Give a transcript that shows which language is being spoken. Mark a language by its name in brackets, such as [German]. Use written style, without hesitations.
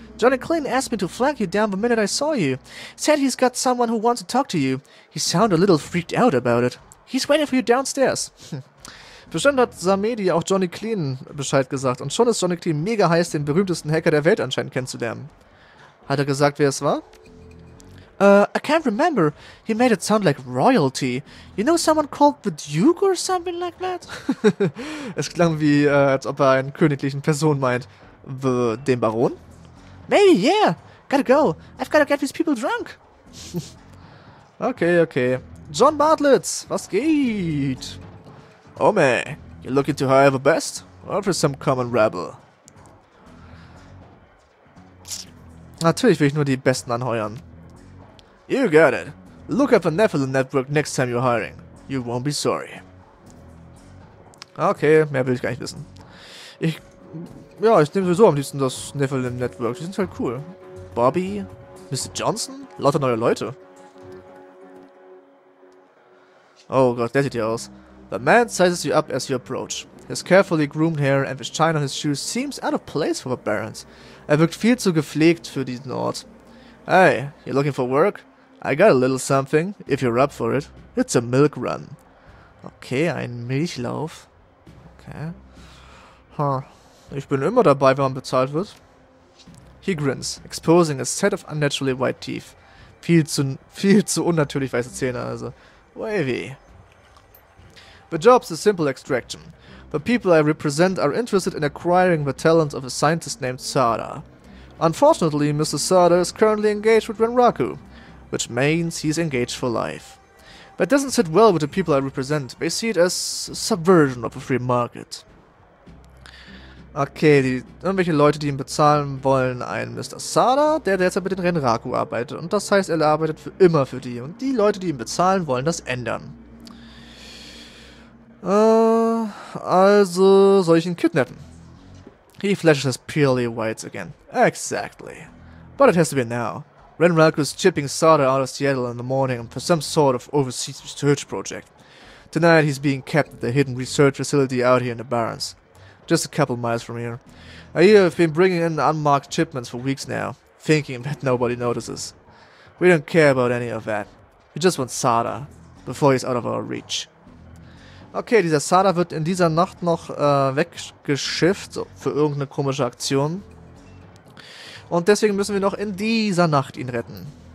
[English] Johnny Clayton asked me to flag you down the minute I saw you. Said he's got someone who wants to talk to you. He sounded a little freaked out about it. He's waiting for you downstairs. [German] Bestimmt hat Samedi auch Johnny Clean Bescheid gesagt und schon ist Johnny Clean mega heiß, den berühmtesten Hacker der Welt anscheinend kennenzulernen. Hat er gesagt, wer es war? [English] I can't remember. He made it sound like royalty. You know someone called the Duke or something like that? [German] Es klang wie, als ob er einen königlichen Person meint. The, den Baron? [English] Maybe, yeah. Gotta go. I've gotta get these people drunk. [German] Okay. John Bartlett, was geht? [English] Oh man, you looking to hire the best? Or for some common rabble? [German] Natürlich will ich nur die Besten anheuern. [English] You got it. Look up the Nephilim Network next time you're hiring. You won't be sorry. [German] Okay, mehr will ich gar nicht wissen. Ich nehme sowieso am liebsten das Nephilim Network. Die sind halt cool. Bobby? Mr. Johnson? Lauter neue Leute. Oh Gott, der sieht hier aus. [English] The man sizes you up as you approach. His carefully groomed hair and the shine on his shoes seems out of place for the Barons. [German] Er wirkt viel zu gepflegt für diesen Ort. [English] Hey, you looking for work? I got a little something, if you're up for it. It's a milk run. [German] Okay, ein Milchlauf. Okay. Huh. Ich bin immer dabei, wenn man bezahlt wird. [English] He grins, exposing a set of unnaturally white teeth. [German] Viel zu unnatürlich weiße Zähne, also. [English] Wavy. The job's a simple extraction. The people I represent are interested in acquiring the talents of a scientist named Sada. Unfortunately, Mr. Sada is currently engaged with Renraku, which means he's engaged for life. That doesn't sit well with the people I represent. They see it as a subversion of a free market. [German] Okay, irgendwelche Leute, die ihn bezahlen wollen, einen Mr. Sada, der derzeit mit den Renraku arbeitet. Und das heißt, er arbeitet für immer für die. Und die Leute, die ihn bezahlen, wollen das ändern. Also soll ich ihn kidnappen? [English] He flashes his pearly whites again. Exactly. But it has to be now. Renraku's chipping Sada out of Seattle in the morning for some sort of overseas research project. Tonight he's being kept at the hidden research facility out here in the Barrens. Just a couple miles from here. I hear I've been bringing in unmarked shipments for weeks now, thinking that nobody notices. We don't care about any of that. We just want Sada, before he's out of our reach. [German] Okay, dieser Sada wird in dieser Nacht noch weggeschifft für irgendeine komische Aktion. Und deswegen müssen wir noch in dieser Nacht ihn retten.